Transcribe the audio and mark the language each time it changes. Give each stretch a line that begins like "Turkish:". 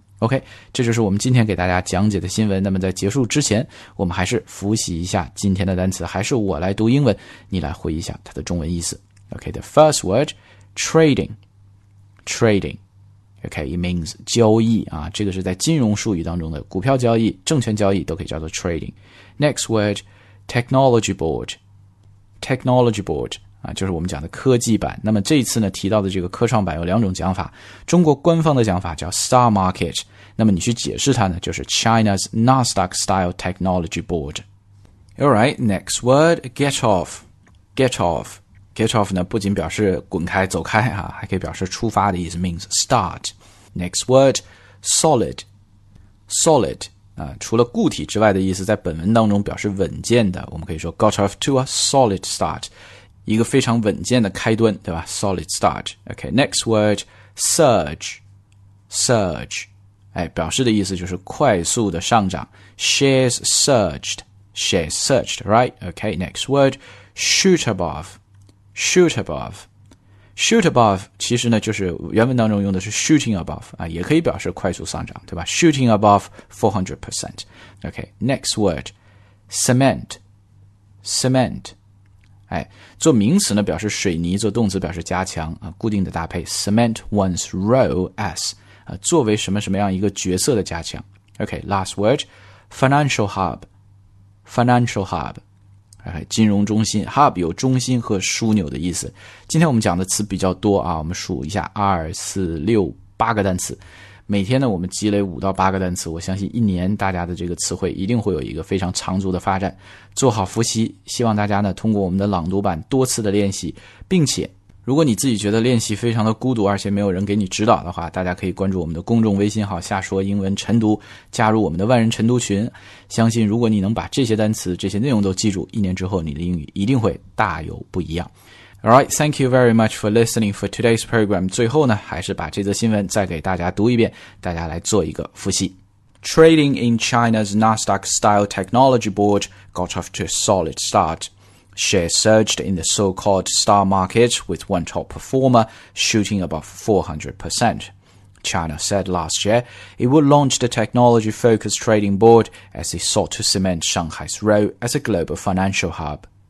Chinese: OK， 这就是我们今天给大家讲解的新闻。那么在结束之前，我们还是复习一下今天的单词，还是我来读英文，你来回忆一下它的中文意思。
English: OK， the first word， trading， trading。
Chinese: OK，
English: it means
Chinese: 交易啊，这个是在金融术语当中的股票交易、证券交易都可以叫做 trading。
English: Next word， technology board， technology board 啊，
Chinese: 就是我们讲的科技板。那么这一次呢，提到的这个科创板有两种讲法，中国官方的讲法叫 star market， 那么你去解释它呢，就是
English: China's Nasdaq style technology board。 All right， next word， get off， get off。
Chinese: Get off 呢，不仅表示滚开、走开啊，还可以表示出发的意思 ，
English: means start。 Next word， solid， solid
Chinese: 啊，除了固体之外的意思，在本文当中表示稳健的，我们可以说
English: got off to a solid start，
Chinese: 一个非常稳健的开端，对吧 ？Solid start。
English: OK， next word， surge， surge， 哎，
Chinese: 表示的意思就是快速的上涨
English: ，shares surged， shares surged， right？ OK， next word， shoot above。 Shoot above， shoot above
Chinese: 其实呢就是原文当中用的是 shooting above 啊，也可以表示快速上涨，对吧？ Shooting above 400%。
English: OK， next word， cement， cement，
Chinese: 哎，做名词呢表示水泥，做动词表示加强啊，固定的搭配 cement one's role as 啊，作为什么什么样一个角色的加强。
English: OK， last word， financial hub， financial hub，
Chinese: 金融中心。 hub 有中心和枢纽的意思。今天我们讲的词比较多啊，我们数一下2、4、6、8个单词，每天呢我们积累5到8个单词，我相信一年大家的这个词汇一定会有一个非常长足的发展。做好复习，希望大家呢通过我们的朗读版多次的练习，并且如果你自己觉得练习非常的孤独，而且没有人给你指导的话，大家可以关注我们的公众微信号下说英文晨读，加入我们的万人晨读群。相信如果你能把这些单词这些内容都记住，一年之后你的英语一定会大有不一样。
English: All right, thank you very much for listening for today's program.
Chinese: 最后呢，还是把这则新闻再给大家读一遍，大家来做一个复习。
English: Trading in China's Nasdaq-style technology board got off to a solid start. Shares surged in the so-called star market with one top performer shooting above 400%. China said last year it would launch the technology-focused trading board as it sought to cement Shanghai's role as a global financial hub.